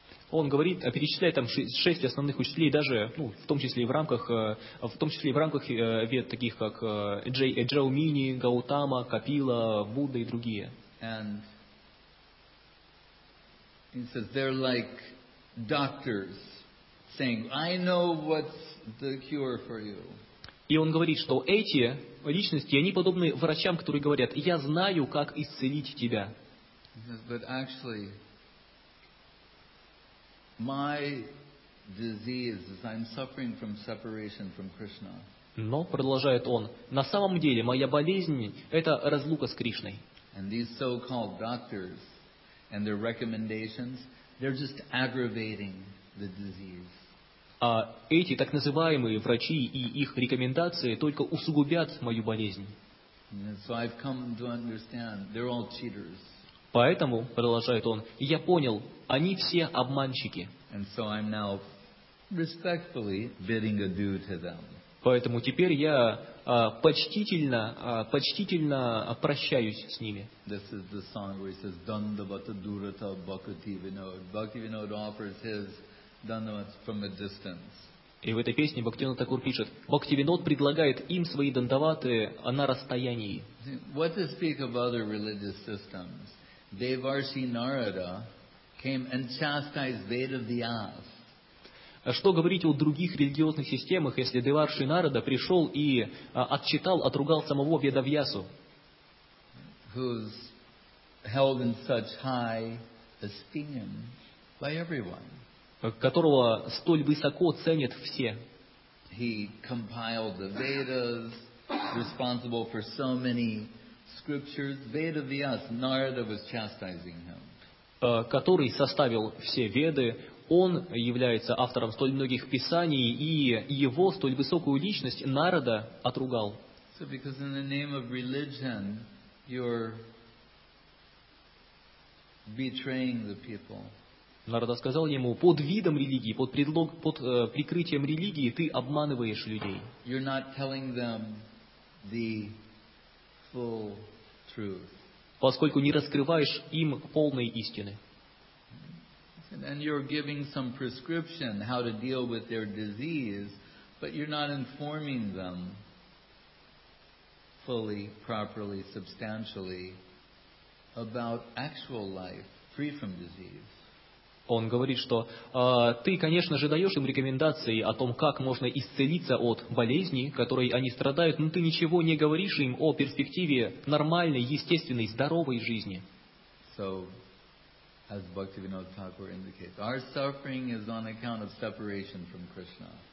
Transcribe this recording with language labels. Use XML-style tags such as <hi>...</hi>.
<ru>Он говорит, перечисляет там шесть основных учителей, даже, ну, в том числе и в рамках, вед, таких как Джаумини, Гаутама, Капила, Будда и другие.</ru> <en>And he says they're like doctors saying, I know what's the cure for you.</en> <ru>И он говорит, что эти личности, они подобны врачам, которые говорят, я знаю, как исцелить тебя.</ru> <en>He says, but actually, my disease is I'm suffering from separation from Krishna.</en> <ru>Но, продолжает он, на самом деле моя болезнь – это разлука с Кришной.</ru> <en>And these so-called doctors and their recommendations, they're just aggravating the disease.</en> <ru>А эти так называемые врачи и их рекомендации только усугубят мою болезнь.</ru> <en>So I've come to understand they're all cheaters.</en> <ru>Поэтому, продолжает он, я понял, они все обманщики.</ru> <en>So I'm now respectfully bidding adieu to them.</en> <ru>Поэтому теперь я почтительно прощаюсь с ними.</ru> <en>This is the song where he says,</en> <bn>Dandavata Durata</bn> <en>Bhakti Vinod. Bhakti Vinod offers his Dandavats from a distance.</en> <ru>И в этой песне Бхактивинода Тхакур пишет, Бхакти Винод предлагает им свои дандаваты на расстоянии.</ru> <en>What to speak of other religious systems? Devarshi Narada came and chastised Vedavyas.</en> <ru>Что говорить о других религиозных системах, если Деварши Нарада пришел и отчитал, отругал самого Ведавьясу?</ru> <en>Who's held in such high esteem by everyone?</en> <ru>Которого столь высоко ценят все.</ru> <en>He compiled the Vedas, responsible for so many scriptures, Vedavyas, Narada was chastising him.</en> <ru>Который составил все Веды, он является автором столь многих писаний, и его столь высокую личность Нарада отругал.</ru> <en>So because in the name of religion, you're betraying the people.</en> <ru>Нарада сказал ему, под видом религии, прикрытием религии ты обманываешь людей.</ru> <en>You're not telling them the full</en> <ru>поскольку не раскрываешь им полной истины.</ru> <en>And you're giving some prescription how to deal with their disease, but you're not informing them fully, properly, substantially about actual life free from disease.</en> <ru>Он говорит, что ты, конечно же, даешь им рекомендации о том, как можно исцелиться от болезни, которой они страдают, но ты ничего не говоришь им о перспективе нормальной, естественной, здоровой жизни.</ru> <en>So, as Bhaktivinoda Thakur indicates, our suffering is on account of separation from Krishna.</en>